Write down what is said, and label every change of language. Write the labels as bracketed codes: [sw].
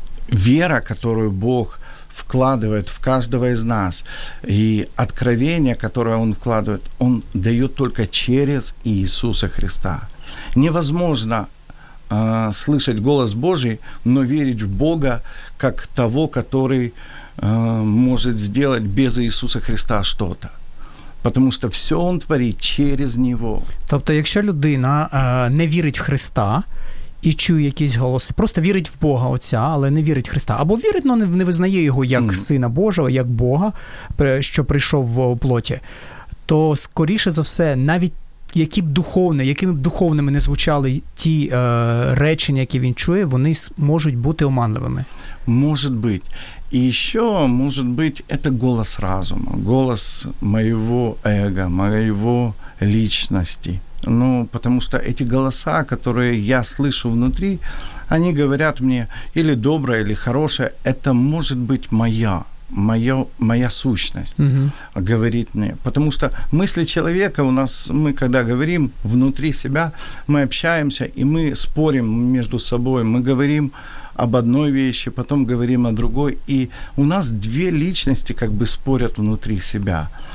[ru] Вера, которую Бог вкладывает в каждого из нас, и откровение, которое Он вкладывает, Он дает только через Иисуса Христа. Невозможно слышать голос Божий, но верить в Бога, как того, который может сделать без Иисуса Христа что-то. Потому что все Он творит через Него. [uk] Тобто, якщо людина не вірить в Христа, і чує якісь голоси. Просто вірить в Бога Отця, але не вірить в Христа. Або вірить, але не визнає Його як Сина Божого, як Бога, що прийшов в плоті. То, скоріше за все, навіть які б духовні, якими б духовними не звучали ті речення, які він чує, вони можуть бути оманливими. [ru] Может быть. [uk] І ще, може бути, це голос розуму, голос моєго его, моєго личності. [ru] Ну, потому что эти голоса, которые я слышу внутри, они говорят мне или доброе, или хорошее, это может быть моя сущность, угу. говорит мне. Потому что мысли человека у нас, мы когда говорим внутри себя, мы общаемся и мы спорим между собой, мы говорим об одной вещи, потом говорим о другой, и у нас две личности как бы спорят внутри себя.